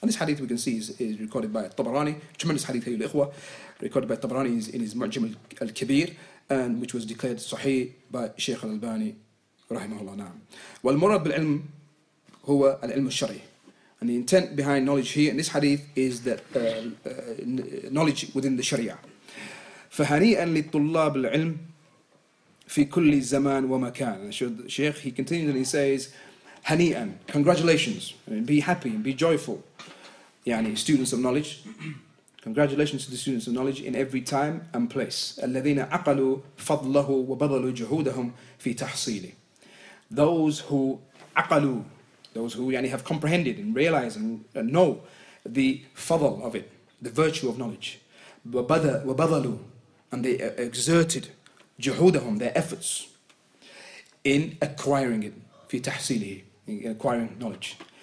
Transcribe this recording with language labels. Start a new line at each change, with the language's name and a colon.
English: And this hadith we can see is recorded by Tabarani, tremendous hadith, ayyul ikhwa, recorded by Tabarani in his Mu'jam al-Kabir, and which was declared sahih by Shaykh al-Albani, rahimahullah. Naam.
Arabic: Wal-murad bil-ilm huwa al-ilm al-shari.
English: And the intent behind knowledge here in this hadith is that knowledge within the sharia.
Arabic: فَهَنِيئًا لِلطُلَّابِ الْعِلْمِ في كل زمان ومكان.
English: Sheikh, he continues and he says, Hani'an, congratulations. I mean, be happy and be joyful. Yani, students of knowledge. Congratulations to the students of knowledge in every time and place.
Arabic: الذين عقلوا فضله وبذلوا جهودهم في تحصيله.
English: Those who عقلوا, those who يعني, have comprehended and realized and know the fadl of it, the virtue of knowledge. وبذلوا, and they exerted جهودهم, their efforts in acquiring it,
Arabic: في تحصيله,
English: in acquiring knowledge.